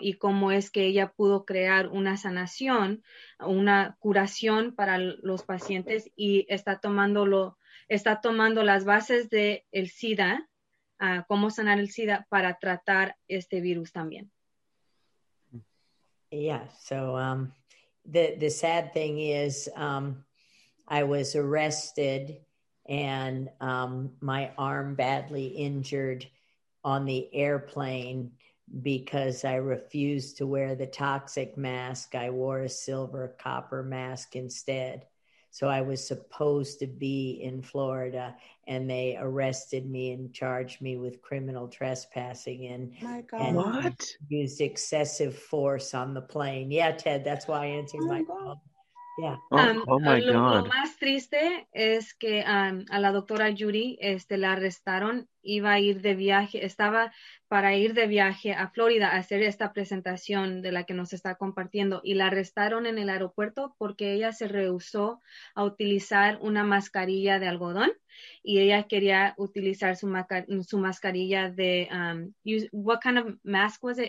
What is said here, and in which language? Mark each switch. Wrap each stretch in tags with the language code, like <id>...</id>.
<es>Y cómo es que ella pudo crear una sanación, una curación para los pacientes, y está tomando las bases del SIDA, cómo sanar el SIDA para tratar este virus también.</es> <en>Yeah, so the sad thing is I was arrested and my arm badly injured on the airplane because I refused to wear the toxic mask. I wore a silver copper mask instead. So I was supposed to be in Florida and they arrested me and charged me with criminal trespassing and what? Used excessive force on the plane. Yeah, Ted, that's why I answered my call. Oh my God.</en> <es>Lo más triste es que a la doctora Judy la arrestaron, iba a ir de viaje, estaba para ir de viaje a Florida a hacer esta presentación de la que nos está compartiendo, y la arrestaron en el aeropuerto porque ella se rehusó a utilizar una mascarilla de algodón, y ella quería utilizar su mascarilla de,</es> <en>what kind of mask was it?</en>